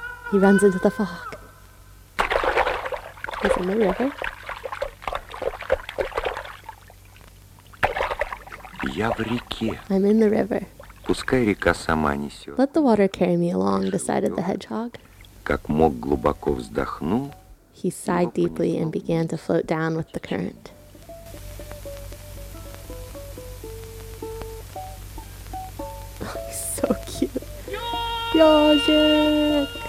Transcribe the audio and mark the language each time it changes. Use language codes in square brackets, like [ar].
[en] He runs into the fog. He's in the river. [ru] Я в реке. [en] I'm in the river. [ru] Пускай река сама несет. [en] Let the water carry me along, decided the hedgehog. [ru] Как мог глубоко вздохнул. [en] He sighed deeply and began to float down with the current. So cute. Jozik!